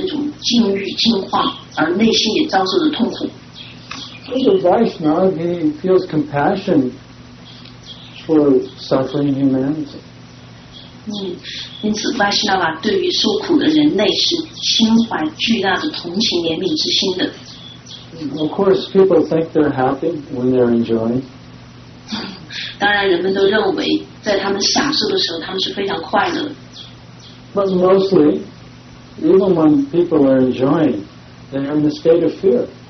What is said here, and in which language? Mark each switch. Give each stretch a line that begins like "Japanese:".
Chinese: 所以说刚才那句梵文的意思就是说，Vaishnava因为看到其他的那些受苦的灵魂，看到他人受苦的那种境遇境况，而内心也遭受了痛苦。
English: So the Vaishnava, he feels compassion for suffering humanity.
Chinese: 因此Vaishnava对于受苦的人类是心怀巨大的同情怜悯之心的。
English: Of course, people think they're happy when they're enjoying.
Chinese: 当然人们都认为在他们享受的时候他们是非常快乐。
English: But mostly, even when people are enjoying, they are in a state of fear.